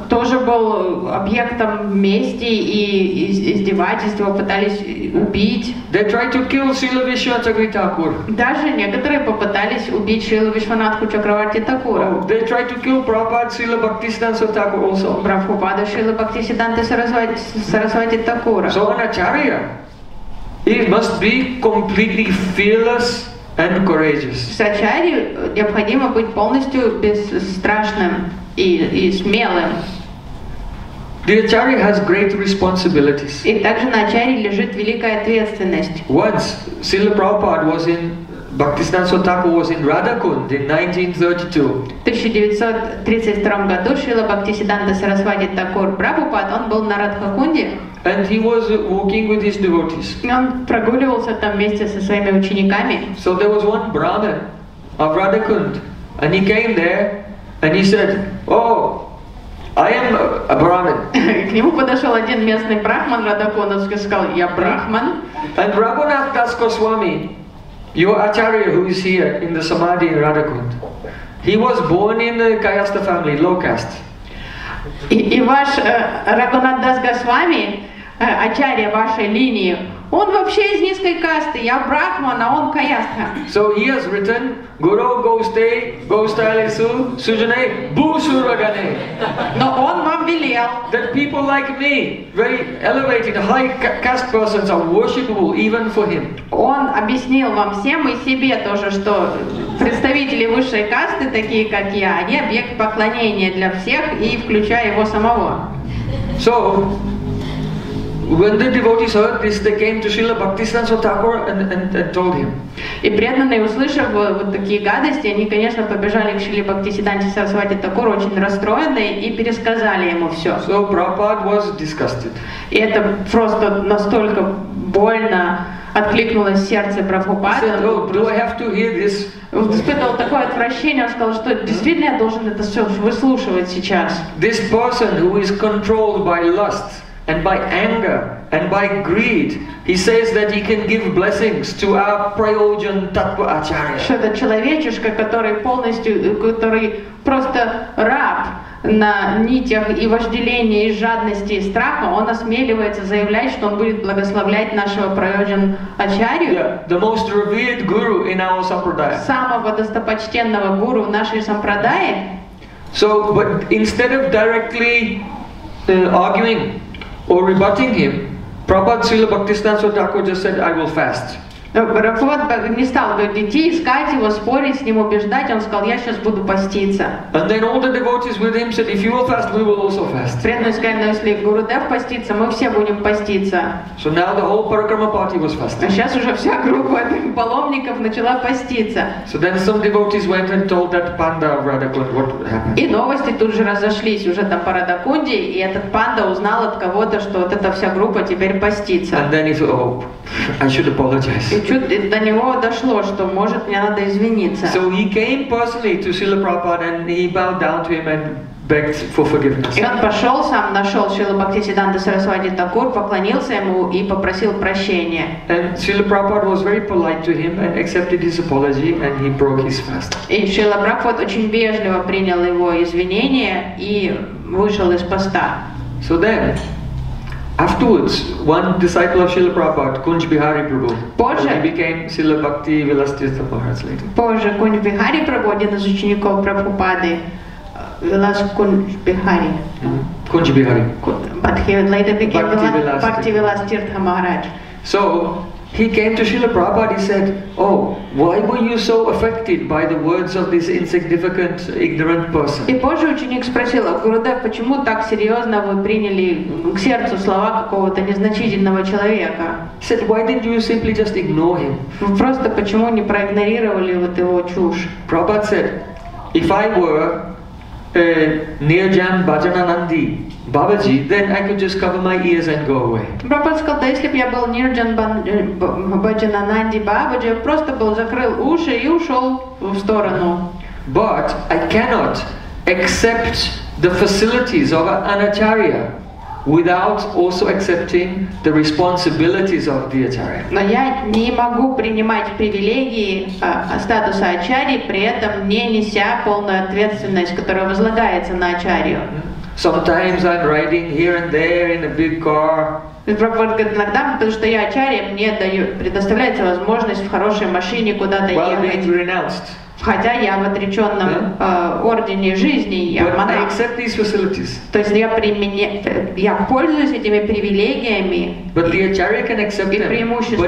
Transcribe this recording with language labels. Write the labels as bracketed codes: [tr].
[ru] Тоже был объектом мести и издевательства, пытались убить. [en] They tried to kill Шрила Вишванатху Такур. [ru] Даже некоторые попытались убить Шрила Вишванатху Чакраварти Такура. [en] They tried to kill Прабхупада Шрила Бхактисиддханта Такура also. [ru] Прабхупада Шрила Бхактисиддханта Сарасвати Такура. [en] So an Acharya, he must be completely fearless and courageous. [ru] С ачарьей необходимо быть полностью бесстрашным и смелым. [en] The acharya has great responsibilities. [ru] И также на ачарье лежит великая ответственность. [en] Once Srila Prabhupada was in Bhaktisiddhanta Thakur was in Radhakund in 1932. [ru] В 1932 году Шрила Бхактисиддханта Сарасвати Такур Прабхупад, он был на Радхакунде. [en] And he was walking with his devotees. [ru] Он прогуливался там вместе со своими учениками. [en] So there was one brahmin of Radhakund, and he came there, and he said, "Oh, I am a brahmin." [ru] К нему подошел один местный брахман Радхакунда и сказал, "Я брахман." [en] And Raghunath Das Goswami, your acharya who is here in the samadhi in Radhakund, he was born in the Kayastha family, low caste. [ru] И ваш Рагунат Дас Госвами, ачарья вашей линии, он вообще из низкой касты, я брахман, а он каястха. [en] So he has written, Guru Goste, Gostalisu, Sujane, Busuragane. [ru] Но он вам велел. [en] That people like me, very elevated, high caste persons are worshipable even for him. [ru] Он объяснил вам всем и себе тоже, что представители высшей касты, такие как я, они объект поклонения для всех и включая его самого. [en] So, when the devotees heard this, they came to Srila Bhaktisiddhanta Thakur and told him. [ru] И преданные, услышав вот такие гадости, они, конечно, побежали к Шриле Бхактисиддханте Сарасвати Такуру, очень расстроенные, и пересказали ему все. [en] So Prabhupada was disgusted. [ru] И это просто настолько больно откликнулось сердце Прабхупады. [en] Said, oh, do I have to hear this? [ru] Он испытывал такое отвращение, он сказал, что действительно я должен это все выслушивать сейчас. [en] This person who is controlled by lust and by anger and by greed, he says that he can give blessings to our Prayojan Tattva Acharya. [ru] Что это человечишка, который полностью, который просто раб на нитях и вожделения, и жадности, и страха, он осмеливается заявлять, что он будет благословлять нашего Прайоджан Ачарью. [en] Yeah, the most revered guru in our Sampradaya. [ru] Самого достопочтенного гуру в нашей Сампрадае. [en] So, but instead of directly arguing or rebutting him, Prabhupada Srila Bhaktisiddhanta Thakur just said, I will fast. [ru] Прабхупада не стал говорить, идти искать его, спорить с ним, убеждать. Он сказал, я сейчас буду поститься. [en] And then all the devotees with him said, if you will fast, we will also fast. [ru] Преданные сказали, но если Гуру Дев постится, мы все будем поститься. [en] So now the whole Parikrama party was fasting. [ru] А сейчас уже вся группа паломников начала поститься. [en] So then some devotees went and told that panda of Radhakund what happened. [ru] И новости тут же разошлись уже там по Радхакунде, и этот панда узнал от кого-то, что вот эта вся группа теперь постится. [en] And then he said, oh, I should apologize. [ru] И чуть до него дошло, что может мне надо извиниться. [en] So he came personally to Srila Prabhupada and he bowed down to him and begged for forgiveness. [ru] И он пошел сам, нашел Шрилу Бхактисиддханта Сарасвати Такур, поклонился ему и попросил прощения. [en] And Srila Prabhupada was very polite to him and accepted his apology and he broke his fast. [ru] И Шрила Прабхупада очень вежливо принял его извинения и вышел из поста. [en] So then, afterwards, one disciple of Srila Prabhupada, Kunj Bihari Prabhu, [ru] позже, [en] he became Srila Bhakti Vilastirtha Maharaj later. [ru] Позже, Кунж Бихари Прабху, один из учеников Прабхупады, Вилас Кунж Бихари. Кунж Бихари. [en] But he later became Bhakti Vilastirtha Maharaj. So, He came to Srila Prabhupada, he said, oh, why were you so affected by the words of this insignificant, ignorant person? [ru] И позже ученик спросил, Гурудев, почему так серьезно вы приняли к сердцу слова какого-то незначительного человека? [en] He said, why didn't you simply just ignore him? [ru] Вы просто почему не проигнорировали вот его чушь? [en] Prabhupada said, if I were Nirjan Bhajananandi Babaji, then I could just cover my ears and go away. [ru] Prabhupada сказал, да если бы я был Nirjan Bhajananandi Babaji, просто был закрыл уши и ушел в сторону. [en] But I cannot accept the facilities of an acharya without also accepting the responsibilities of the acharya. [ru] Но я не могу принимать привилегии статуса ачарьи, при этом не неся полную ответственность, которая возлагается на ачарью. [en] Sometimes I'm riding here and there in a big car. [ru] Иногда, потому что я ачарья, мне предоставляется возможность в хорошей машине куда-то ехать. Хотя я в отреченном ордене жизни, я монах. То есть я пользуюсь этими привилегиями и